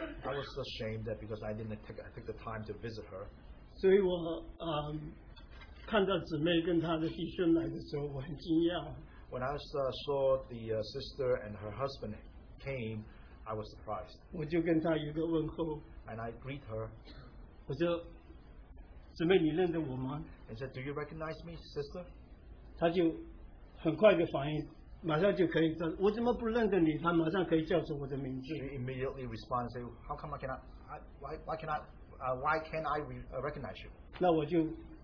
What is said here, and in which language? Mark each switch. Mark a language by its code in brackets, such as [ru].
[en] I was ashamed that because I didn't take the time to visit her. [zh] 所以我 看到姊妹跟她的弟兄来的时候，我很惊讶。 [en] When I saw the sister and her husband came, I was surprised. [zh] 我就跟她有个问候, [en] and I greet her. [zh] 我说, 姊妹你认得我吗? [en] I said, do you recognize me, sister? [zh] 她就很快地反应,马上就可以叫,我怎么不认得你,她马上可以叫出我的名字。 [en] She immediately responded, saying, how come I cannot, why can't I recognize you?